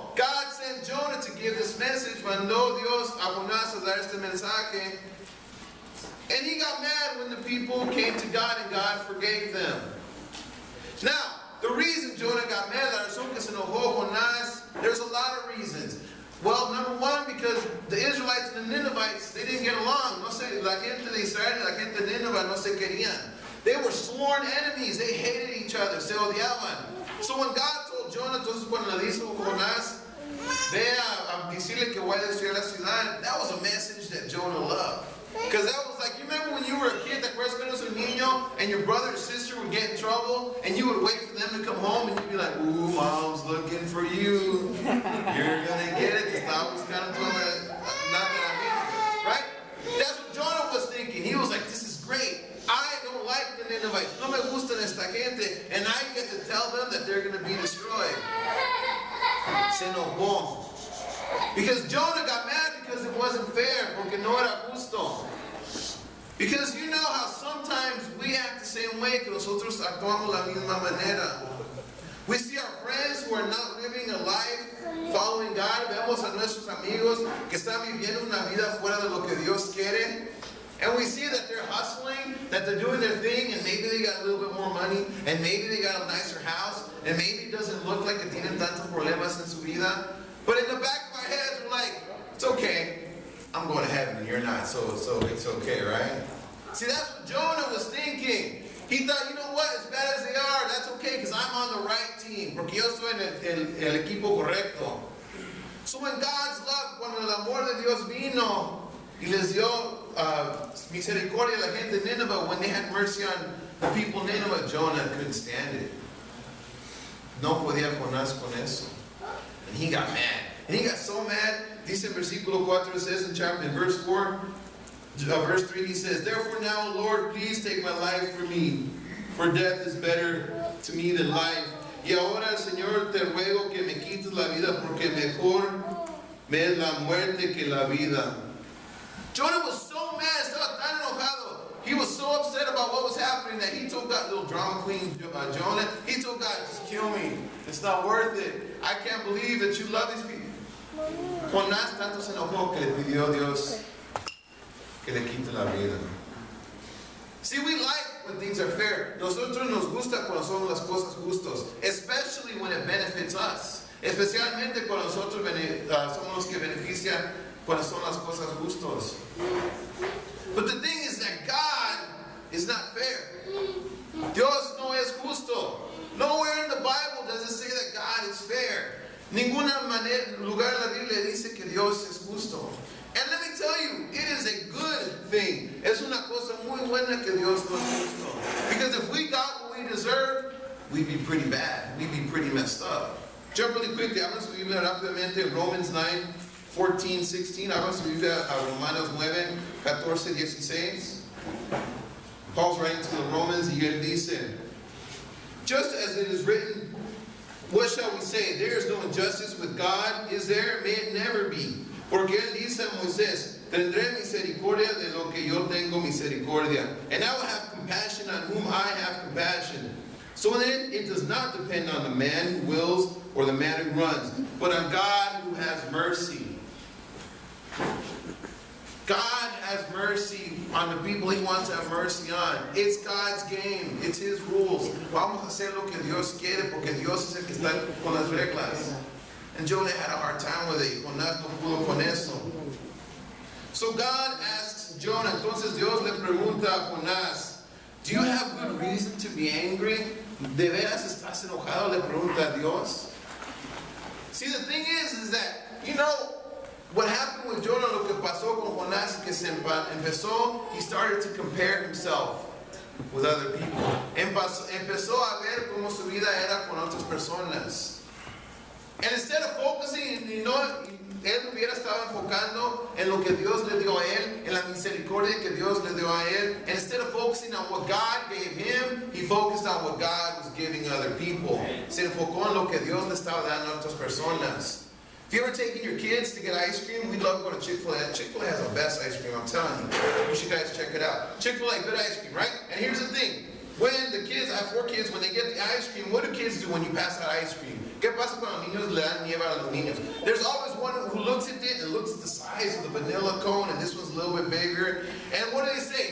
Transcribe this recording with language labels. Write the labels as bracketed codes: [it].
[en] God sent Jonah to give this message, [es] mandó Dios a Jonás a dar este mensaje. [en] And he got mad when the people came to God and God forgave them. Now, the reason Jonah got mad, [es] la razón que se enojó Jonás, [en] there's a lot of reasons. Well, number one, because the Israelites and the Ninevites, they didn't get along. [es] No sé, la gente de Israel y la gente de Nineveh no se querían. [en] They were sworn enemies. They hated each other. [es] Se odiaban. [en] So when God told Jonah, [es] entonces cuando le dijo Jonás, ve a decirle que voy a destruir la ciudad, [en] that was a message that Jonah loved. Because that was like, you remember when you were a kid, that first minute was a niño, and your brother or sister would get in trouble, and you would wait for them to come home, and you'd be like, ooh, mom's looking for you. You're going to get it. Because I was kind of doing not that I mean. Right? That's what Jonah was thinking. He was like, this is great. I don't like the Ninevites. [es] No me gustan esta gente. [en] And I get to tell them that they're going to be destroyed. [es] Se enojó. [en] Because Jonah got mad because it wasn't fair. [es] Porque no era justo. [en] Because you know how sometimes we act the same way [es] que nosotros actuamos la misma manera. [en] We see our friends who are not living a life following God. [es] Vemos a nuestros amigos que están viviendo una vida fuera de lo que Dios quiere. [en] And we see that they're hustling, that they're doing their thing, and maybe they got a little bit more money, and maybe they got a nicer house, and maybe it doesn't look like [es] que tienen tantos problemas en su vida. [en] But in the back of our heads, we're like, it's okay. I'm going to heaven, you're not, so it's okay, right? See, that's what Jonah was thinking. He thought, you know what, as bad as they are, that's okay, because I'm on the right team. [es] Porque yo estoy en el equipo correcto. [en] So when God's love, [es] cuando el amor de Dios vino y les dio misericordia a la gente de Nineveh, [en] when they had mercy on the people of Nineveh, Jonah couldn't stand it. [es] No podía Jonás con eso. [en] And he got mad. And he got so mad. [es] Dice versículo 4, [en] it says in chapter, in verse 4, verse 3, he says, therefore now, Lord, please take my life from me, for death is better to me than life. [es] Y ahora, Señor, te ruego que me quites la vida, porque mejor me es la muerte que la vida. [en] Jonah was so mad, [es] estaba tan enojado. [en] He was so upset about what was happening that he told God, little drama queen Jonah, he told God, just kill me. It's not worth it. I can't believe that you love these people. [es] Jonás tanto se enojó que le pidió a Dios que le quite la vida. [en] See, we like when things are fair. [es] Nosotros nos gusta cuando son las cosas justos. [en] Especially when it benefits us. [es] Especialmente cuando nosotros somos los que benefician cuando son las cosas justos. [en] But the thing is that God is not fair. [es] Dios no es justo. [en] Nowhere in the Bible does it say that God is fair. [es] Ninguna lugar en la Biblia dice que Dios es justo. [en] And let me tell you, it is a good thing. [es] Es una cosa muy buena que Dios nos gustó. [en] Because if we got what we deserve, we'd be pretty bad. We'd be pretty messed up. Jump really quickly. I'm going to [es] subir rápidamente [en] Romans 9, 14, 16. I'm going to [es] subir a Romanos 9, 14, 16. [en] Paul's writing to the Romans, [es] y él dice, [en] just as it is written, what shall we say? There is no injustice with God, is there? May it never be. [es] Porque él dice a Moisés, tendré misericordia de lo que yo tengo misericordia. [en] And I will have compassion on whom I have compassion. So then it does not depend on the man who wills or the man who runs, but on God who has mercy. God has mercy on the people he wants to have mercy on. It's God's game. It's his rules. [es] Vamos a hacer lo que Dios quiere porque Dios es el que está con las reglas. [en] And Jonah had a hard time with it. [es] Jonás no pudo con eso. [en] So God asks Jonah, [es] entonces Dios le pregunta a Jonás, [en] do you have good reason to be angry? [es] ¿De veras estás enojado? Le pregunta a Dios. [en] See, the thing is that, you know, what happened with Jonah, [es] lo que pasó con Jonás, que se empezó, [en] he started to compare himself with other people. [es] Empezó a ver cómo su vida era con otras personas. [en] And instead of focusing, you know, [es] él hubiera estado enfocando en lo que Dios le dio a él, en la misericordia que Dios le dio a él. [en] And instead of focusing on what God gave him, he focused on what God was giving other people. [es] Se enfocó en lo que Dios le estaba dando a otras personas. [en] If you ever taken your kids to get ice cream, we'd love going to Chick-fil-A. Chick-fil-A has the best ice cream, I'm telling you. You should guys check it out. Chick-fil-A, good ice cream, right? And here's the thing. When the kids, I have four kids, when they get the ice cream, what do kids do when you pass out ice cream? [es] ¿Qué pasa con los niños? Le dan nieve a los niños. [en] There's always one who looks at it and looks at the size of the vanilla cone, and this one's a little bit bigger. And what do they say?